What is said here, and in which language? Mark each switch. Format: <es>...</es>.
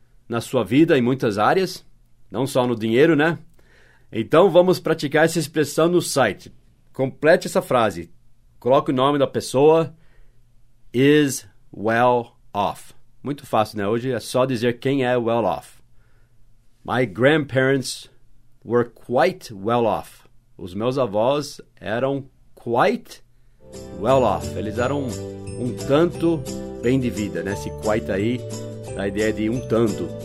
<pt>na sua vida em muitas áreas, não só no dinheiro, né? Então vamos praticar essa expressão no site. Complete essa frase. Coloque o nome da pessoa.</pt> <en>Is well off.</en> <pt>Muito fácil, né? Hoje é só dizer quem é well off.</pt> <en>My grandparents were quite well off.</en> <pt>Os meus avós eram quite well off. Eles eram um tanto bem de vida, né? Esse quite aí, a ideia de um tanto.</pt>